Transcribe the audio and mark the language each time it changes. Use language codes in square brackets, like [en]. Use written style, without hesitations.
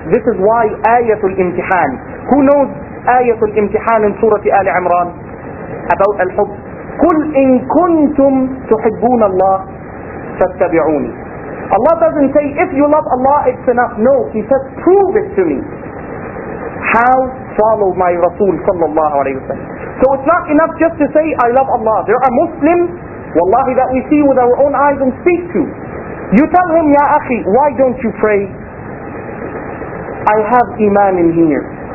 [en] This is why [ar] آية الامتحان. [en] Who knows [ar] آية الامتحان [en] in Surah [ar] آل عمران [en] about [ar] الحب؟ قل إن كنتم تحبون الله فاتبعوني. [en] Allah doesn't say, if you love Allah, it's enough. No, He says, prove it to me. How? Follow my Rasul sallallahu alayhi wa sallam. So it's not enough just to say, I love Allah. There are Muslims, wallahi, that we see with our own eyes and speak to. You tell him, ya akhi, why don't you pray? I have iman in here.